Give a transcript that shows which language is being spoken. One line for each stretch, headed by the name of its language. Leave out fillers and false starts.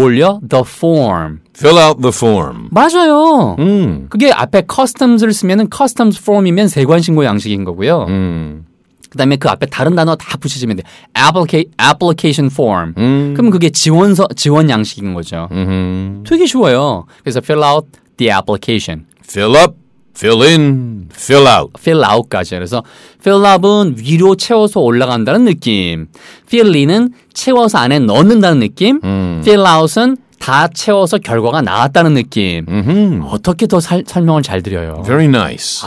Korean: 뭘요?
English: 'The form.' 'Fill out the form.'
Korean: 맞아요. 그게 앞에 'customs'를 쓰면은 'customs form'이면 세관신고 양식인 거고요. 그다음에 그 앞에 다른 단어 다 붙이시면 돼.
English: 'application form.'
Korean: 그럼 그게 지원서 지원 양식인 거죠. 되게 쉬워요.
English: 그래서 'fill out the application.' Fill up, fill in, fill out. Fill out까지.
Korean: 그래서 fill up은 위로 채워서 올라간다는 느낌. Fill in은 채워서 안에 넣는다는 느낌. Fill out은 다 채워서 결과가 나왔다는 느낌. 어떻게 더 설명을 잘 드려요?
English: Very nice.